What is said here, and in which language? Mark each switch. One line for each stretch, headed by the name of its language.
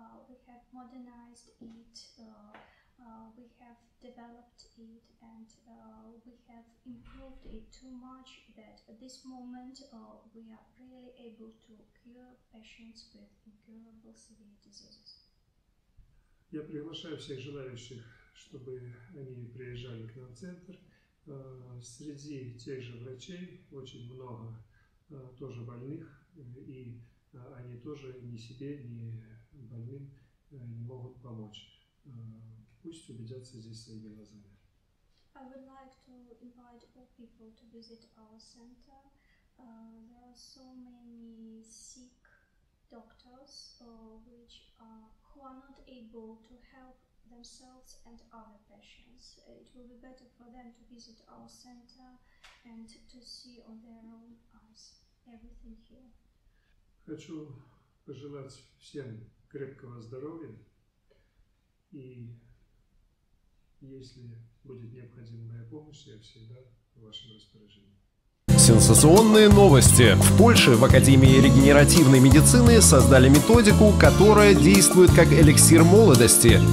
English: We have modernized it, we have developed it, and we have improved it too much that at this moment we are really able to cure patients with incurable severe diseases.
Russian: Я приглашаю всех желающих, чтобы они приезжали к нам в центр. Среди тех же врачей очень много тоже больных, и они тоже ни себе, ни больным не могут помочь. Пусть убедятся здесь своими глазами.
English: I would like to invite all people to visit our center. There are so many sick doctors, which are not able to help themselves and other patients. It will be better for them to visit our center and to see on their own eyes everything here.
Russian: Хочу пожелать всем крепкого здоровья, и если будет необходима моя помощь, я всегда в вашем распоряжении. Сенсационные новости. В Польше в Академии регенеративной медицины создали методику, которая действует как эликсир молодости.